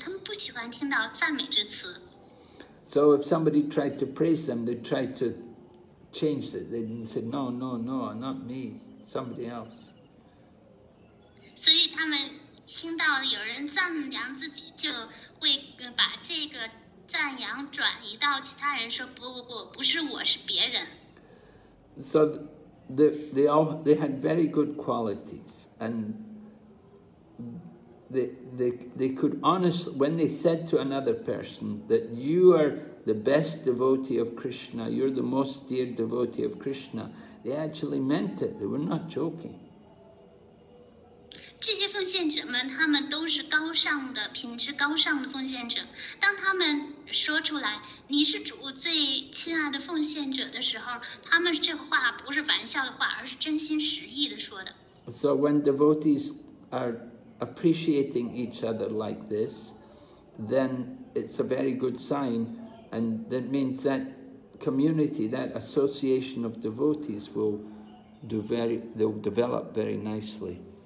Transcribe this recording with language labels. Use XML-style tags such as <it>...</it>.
<zh>这些奉献者们，他们都是谦卑的奉献者，他们不喜欢听到赞美之词。</zh> <en>So if somebody tried to praise them, they tried to change it. They said, "No, no, no, not me, somebody else."</en> <zh>所以他们 听到有人赞扬自己，就会把这个赞扬转移到其他人，说不，不是我，是别人。So</zh> <en>they had very good qualities, and they could honestly, when they said to another person that you are the best devotee of Krishna, you're the most dear devotee of Krishna, they actually meant it. They were not joking.</en> <zh>这些奉献者们，他们都是高尚的、品质高尚的奉献者。当他们说出来"你是主最亲爱的奉献者"的时候，他们这话不是玩笑的话，而是真心实意的说的。</zh> <en>So when devotees are appreciating each other like this, then it's a very good sign, and that means that community, that association of devotees will do very, they'll develop very nicely.</en>